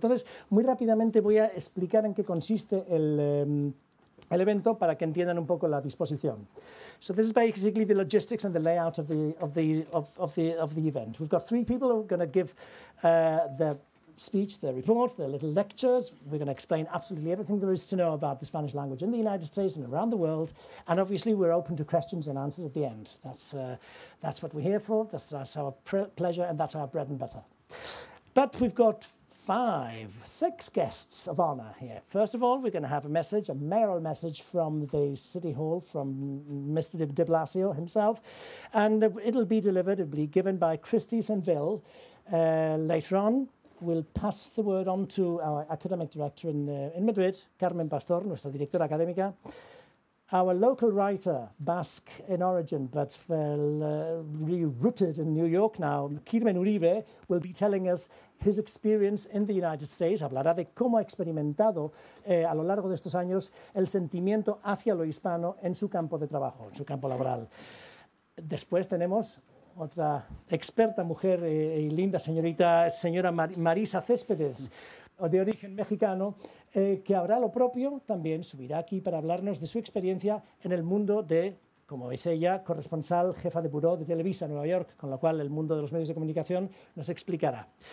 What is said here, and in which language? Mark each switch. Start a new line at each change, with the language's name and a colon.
Spanish: Entonces, muy rápidamente voy a explicar en qué consiste el evento para que entiendan un poco la disposición.
English: So this is basically the logistics and the layout of the event. We've got three people who are going to give their speech, their report, their little lectures. We're going to explain absolutely everything there is to know about the Spanish language in the United States and around the world. And obviously, we're open to questions and answers at the end. That's what we're here for. That's our pleasure, and that's our bread and butter. But we've got six guests of honor here. First of all, we're going to have a mayoral message from the City Hall, from Mr. de Blasio himself. And it'll be delivered, it'll be given by Christy Senville later on. We'll pass the word on to our academic director in Madrid, Carmen Pastor,
Spanish: nuestra directora académica.
English: Our local writer, Basque in origin, but rooted in New York now, Kirmen Uribe, will be telling us his experience in the United States.
Spanish: Hablará de cómo ha experimentado a lo largo de estos años el sentimiento hacia lo hispano en su campo de trabajo, en su campo laboral. Después tenemos otra experta mujer y linda señorita, señora Marisa Céspedes, de origen mexicano, que habrá lo propio, también subirá aquí para hablarnos de su experiencia en el mundo de, como es ella, corresponsal, jefa de buró de Televisa, Nueva York, con lo cual el mundo de los medios de comunicación nos explicará.